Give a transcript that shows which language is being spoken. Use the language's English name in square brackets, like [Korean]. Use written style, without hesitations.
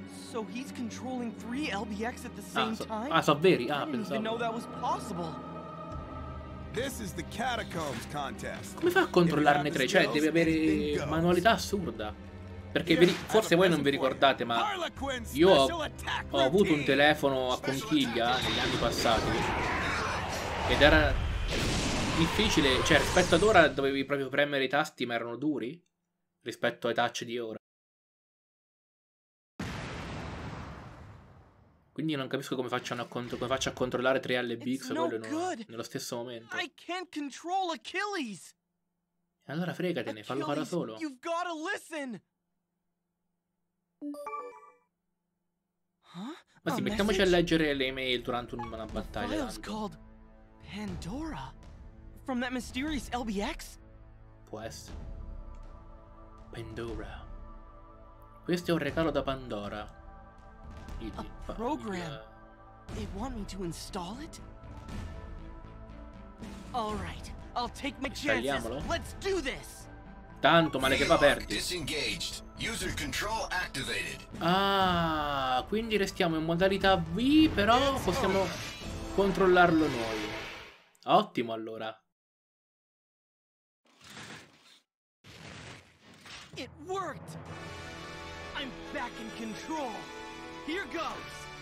[English] So he's controlling three LBX at the same time? [Italian] Ah, sono veri, ah, pensavo. [English] I didn't know that was possible. This is the catacombs contest. [Italian] Come fa a controllarne tre? Cioè, deve avere manualità assurda. Perché vi, forse voi non vi ricordate, ma io ho avuto un telefono a conchiglia negli anni passati. Ed era difficile. Cioè, rispetto ad ora dovevi proprio premere i tasti, ma erano duri. Rispetto ai touch di ora. Quindi non capisco come faccio a, come faccio a controllare 3 LBX quello nello stesso momento. [English] I can't control Achilles. [Italian] Allora fregatene, fallo fare da solo. [English] You've gotta listen. [Italian] Ma sì, mettiamoci a leggere le email durante una battaglia. [English] It's called Pandora from that mysterious LBX? [Spanish] Pues. Pandora. [Italian] Questo è un regalo da Pandora. [English] A program. They want me to install it? All right. I'll take my chances. Let's do this. [Italian] Tanto male che va perdi. [English] Disengaged. User control activated. [Italian] Ah, quindi restiamo in modalità V, però possiamo controllarlo noi. Ottimo allora. [English] It worked. I'm back in control. Here goes.